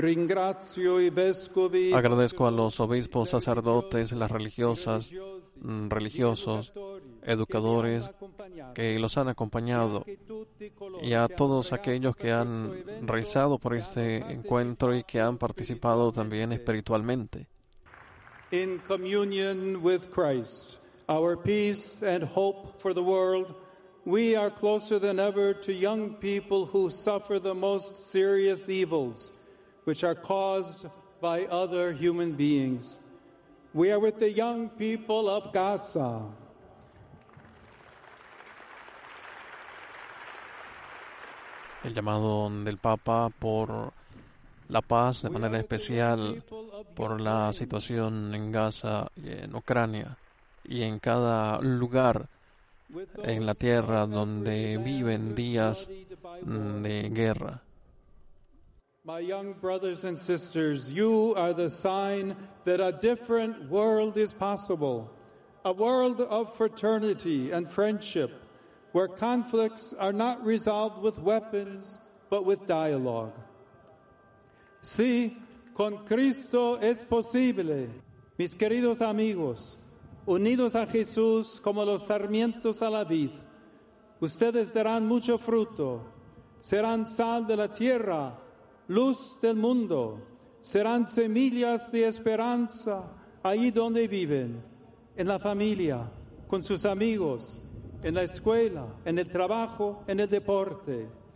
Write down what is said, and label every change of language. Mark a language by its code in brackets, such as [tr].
[es] Agradezco a los obispos, sacerdotes, las religiosas, religiosos, educadores que los han acompañado y a todos aquellos que han rezado por este encuentro y que han participado también espiritualmente. [en] In communion with Christ, our peace and hope for the world, we are closer than ever to young people who suffer the most serious evils, which are caused by other human beings. We are with the young people of Gaza. [es] El llamado del Papa por la paz, de manera especial por la situación en Gaza y en Ucrania y en cada lugar en la tierra donde viven días de guerra. [en] My young brothers and sisters, you are the sign that a different world is possible, a world of fraternity and friendship, where conflicts are not resolved with weapons but with dialogue. [es] Sí, con Cristo es posible. Mis queridos amigos, unidos a Jesús como los sarmientos a la vid, ustedes darán mucho fruto. Serán sal de la tierra, luz del mundo. Serán semillas de esperanza allí donde viven, en la familia, con sus amigos, en la escuela, en el trabajo, en el deporte.